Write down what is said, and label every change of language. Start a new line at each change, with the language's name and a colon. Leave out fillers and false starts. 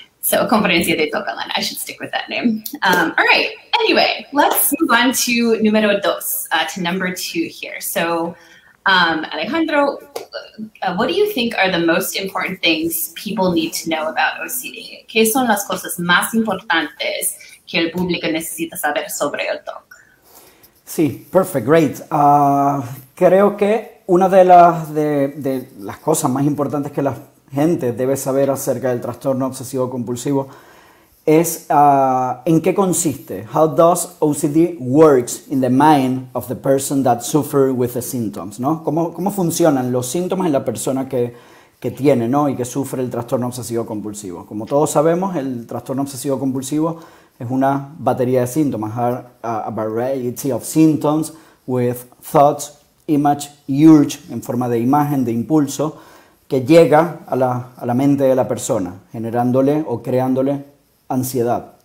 English: So Conferencia de TOC Online, I should stick with that name. All right, anyway, let's move on to
Spanish: numero dos,
English: to number two here. So Alejandro, what do you think are the most important things people need to know about OCD?
Spanish: ¿Qué son las cosas más importantes que el público necesita saber sobre el TOC?
English: Sí, perfect, great.
Spanish: Creo que una de las cosas más importantes que la gente debe saber acerca del trastorno obsesivo compulsivo es en qué consiste.
English: How does OCD works in the mind of the person that suffer with the symptoms, ¿no?
Spanish: ¿Cómo funcionan los síntomas en la persona que tiene, ¿no? Y que sufre el trastorno obsesivo compulsivo? Como todos sabemos, el trastorno obsesivo compulsivo es una batería de síntomas,
English: a variety of symptoms with thoughts, image, urge,
Spanish: en forma de imagen, de impulso, que llega a la mente de la persona, generándole o creándole ansiedad.